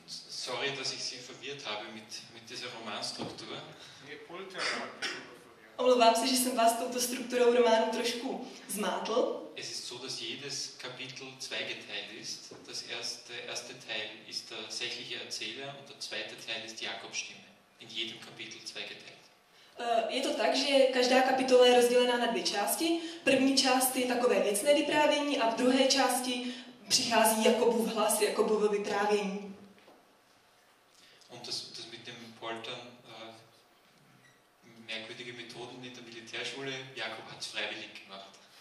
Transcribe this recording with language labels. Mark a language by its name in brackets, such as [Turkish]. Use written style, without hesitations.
[German] Sorry, dass ich Sie verwirrt habe mit dieser Romanstruktur. [Czech] Omlouvám se, že jsem vás touto strukturou románu trošku zmátl. [German] Es ist so, dass jedes Kapitel zweigeteilt ist. Das erste Teil ist der sächliche Erzähler und der zweite Teil ist Jakobs Stimme. In jedem Kapitel zweigeteilt. [Czech] Je to tak, že každá kapitola je rozdělená na dvě části. První část je takové věcné vyprávění a v druhé části přichází Jakobův hlas, Jakobovo vyprávění. [German] Und das mit dem Poltern, merkwürdige Methoden in der Militärschule, Jakob hat es freiwillig gemacht.